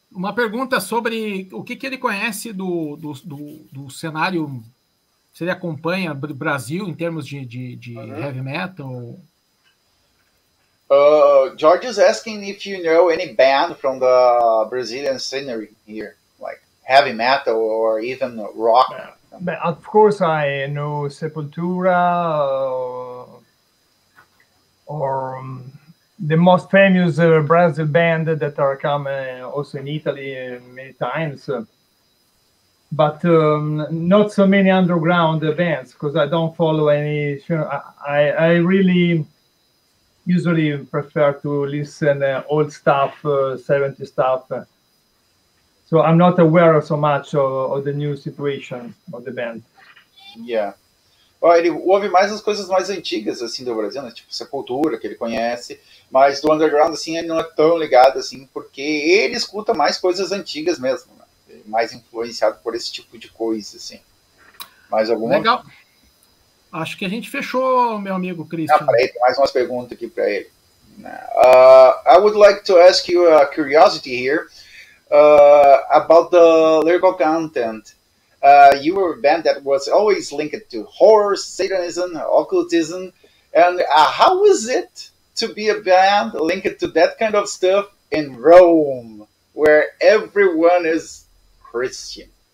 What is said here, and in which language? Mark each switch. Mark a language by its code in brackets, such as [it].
[pt] Uma pergunta sobre o que ele conhece do cenário, se ele acompanha o Brasil em termos de heavy metal. [en] George is asking if you know any band from the Brazilian scenery here, like heavy metal or even rock. But of course, I know Sepultura or the most famous Brazil band that are come also in Italy many times. But not so many underground bands, because I don't follow any. I really usually prefer to listen old stuff, 70 stuff. So I'm not aware so much of the new situation of the band. Yeah. [pt] Oh, ele ouve mais as coisas mais antigas assim do Brasil, né? Tipo Sepultura, que ele conhece, mas do underground assim ele não é tão ligado assim, porque ele escuta mais coisas antigas mesmo, né? Mais influenciado por esse tipo de coisa assim. Mais alguma? Legal. Acho que a gente fechou, meu amigo Christian. Ah, peraí, tem mais umas perguntas aqui para ele. [en] I would like to ask you a curiosity here about the lyrical content. You were a band that was always linked to horror, Satanism, occultism. And how was it to be a band linked to that kind of stuff in Rome, where everyone is Christian?